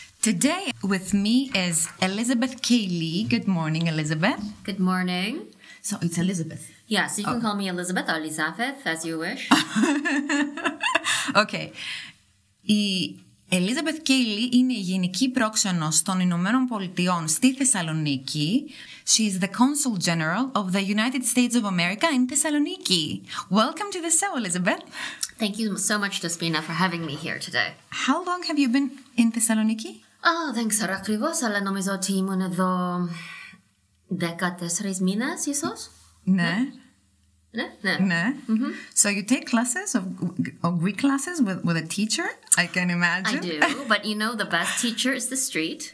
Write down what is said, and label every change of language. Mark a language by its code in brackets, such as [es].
[en] Today with me is Elizabeth Cayley. Good morning, Elizabeth. Good morning. So it's Elizabeth. Yes, you can call me Elizabeth or Elizabeth, as you wish. Okay. [el] Η Elizabeth Cayley είναι η Γενική Πρόξενος των Ηνωμένων Πολιτειών στη Θεσσαλονίκη. [en] She is the Consul General of the United States of America in Thessaloniki. Welcome to the show, Elizabeth. Thank you so much, Despina, for having me here today. How long have you been in Thessaloniki? [el] Δεν ξέρω ακριβώς, αλλά νομίζω ότι ήμουν εδώ 14 μήνες, ίσως. Ναι. Mm-hmm. [en] So you take classes, of Greek classes, with a teacher, I can imagine. I do, but you know, the best teacher is the street.